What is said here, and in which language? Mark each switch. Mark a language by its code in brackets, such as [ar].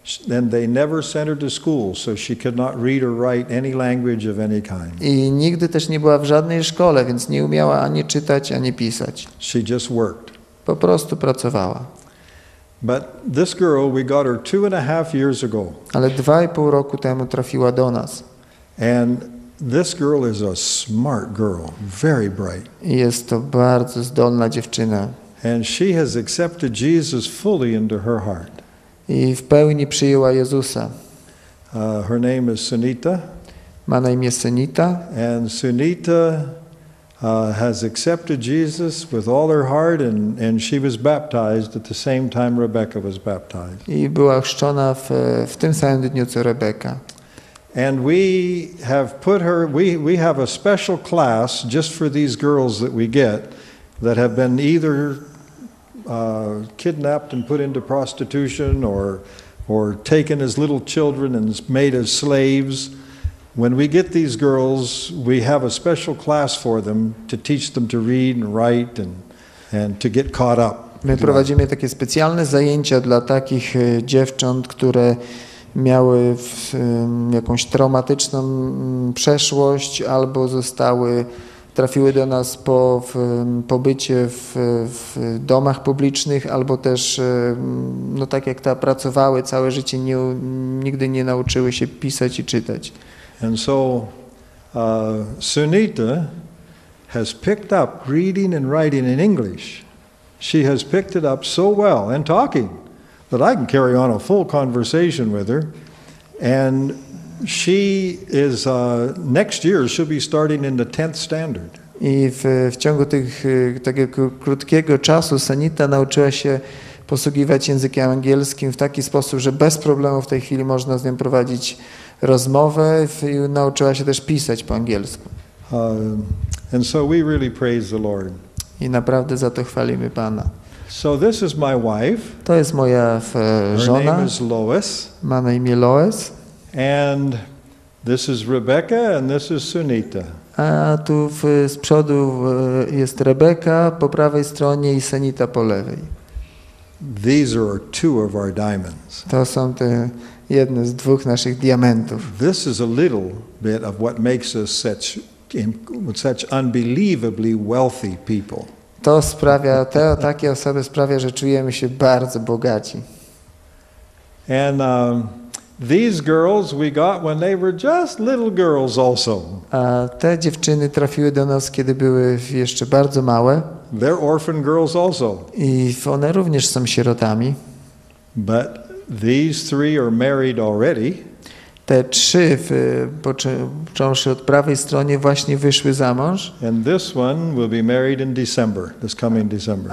[en] And they never sent her to school, so she could not read or write any language of any kind. [pl] I nigdy też nie była w żadnej szkole, więc nie umiała ani czytać, ani pisać. [en] She just worked. [pl] Po prostu pracowała. [en] But this girl, we got her 2.5 years ago. [pl] Ale 2.5 roku temu trafiła do nas. [en] And this girl is a smart girl, very bright. [pl] Jest to bardzo zdolna dziewczyna. [en] And she has accepted Jesus fully into her heart. [pl] I w pełni przyjęła Jezusa. [en] Her name is Sunita. [pl] Ma na imię Sunita. [en] And Sunita has accepted Jesus with all her heart and she was baptized at the same time Rebecca was baptized. [pl] I była chrzczona w tym samym dniu co Rebecca. [en] And we have put her, we have a special class just for these girls that we get that have been either kidnapped and put into prostitution or taken as little children and made as slaves. When we get these girls, we have a special class for them to teach them to read and write and to get caught up. [pl] My prowadzimy takie specjalne zajęcia dla takich dziewcząt, które miały jakąś traumatyczną przeszłość albo zostały trafiły do nas po pobycie w domach publicznych, albo też, no tak jak ta, pracowały całe życie, nigdy nie nauczyły się pisać i czytać. [en] And so Sunita has picked up reading and writing in English. She has picked it up so well and talking that I can carry on a full conversation with her. And she is next year she'll be starting in the 10th standard. [pl] I w ciągu takiego krótkiego czasu Sunita nauczyła się posługiwać językiem angielskim w taki sposób, że bez problemu w tej chwili można z nią prowadzić rozmowę i nauczyła się też pisać po angielsku. [en] And so we really praise the Lord. [pl] I naprawdę za to chwalimy Pana. [en] So this is my wife. [pl] To jest moja żona. [en] Her name is Lois. [pl] Ma na imię Lois. [en] And this is Rebecca and this is Sunita. [pl] A tu z przodu jest Rebecca, po prawej stronie i Sunita po lewej. [en] These are two of our diamonds. [pl] To są te jedne z dwóch naszych diamentów. [en] This is a little bit of what makes us such unbelievably wealthy people. [pl] To sprawia, te takie osoby sprawia, że czujemy się bardzo bogaci. [en] And these girls we got when they were just little girls also. [pl] A te dziewczyny trafiły do nas, kiedy były jeszcze bardzo małe. [en] They're orphan girls also. [pl] I one również są sierotami. [en] But these three are married already. [pl] Te trzy, począwszy od prawej strony, właśnie wyszły za mąż. [en] And this one will be married in December, this coming December.